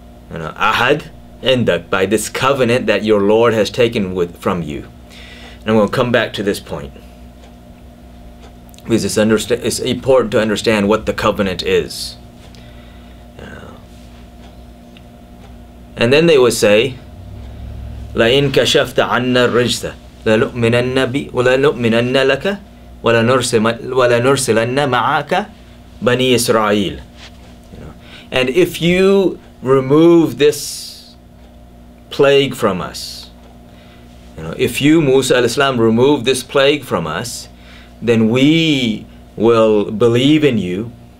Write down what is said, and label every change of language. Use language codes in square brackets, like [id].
[en] Ahad indak, by this covenant that your Lord has taken from you. And I'm going to come back to this point, because it's important to understand what the covenant is. And then they would say, [ar] لَإِنْ كَشَفْتَ عَنَّا الرِّجْزَ وَلَنُؤْمِنَنَّ لَكَ وَلَنُرْسِلَنَّ مَعَكَ بَنِي إِسْرَائِيلَ. [en] And if you remove this plague from us, if you, Musa al-Islam, remove this plague from us, then we will believe in you.